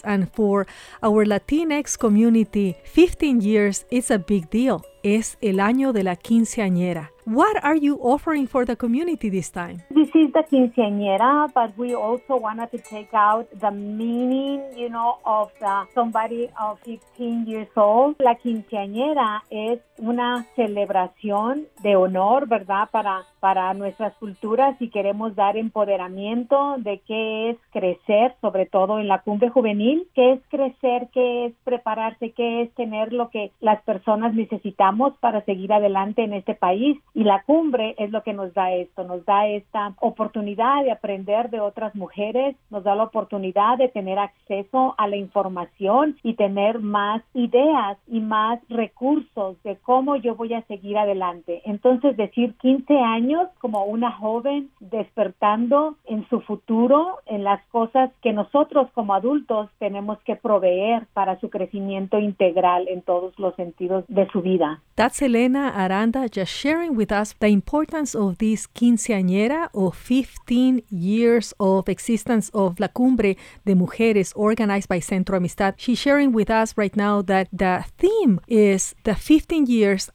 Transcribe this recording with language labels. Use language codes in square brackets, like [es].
[en] And for our Latinx community, 15 years is a big deal. [es] Es el año de la quinceañera. [en] What are you offering for the community this time? This is the quinceañera, but we also wanted to take out the meaning, you know, of somebody of 15 years old. [es] La quinceañera es una celebración de honor, ¿verdad?, para nuestras culturas, y queremos dar empoderamiento de qué es crecer, sobre todo en la cumbre juvenil. ¿Qué es crecer? ¿Qué es prepararse? ¿Qué es tener lo que las personas necesitamos para seguir adelante en este país? Y la cumbre es lo que nos da esto, nos da esta oportunidad de aprender de otras mujeres, nos da la oportunidad de tener acceso a la información y tener más ideas y más recursos de cómo yo voy a seguir adelante. Entonces, decir 15 años como una joven despertando en su futuro, en las cosas que nosotros como adultos tenemos que proveer para su crecimiento integral en todos los sentidos de su vida. [en] That's Elena Aranda just sharing with us the importance of this quinceañera, or 15 years of existence of La Cumbre de Mujeres organized by Centro Amistad. She's sharing with us right now that the theme is the 15 years.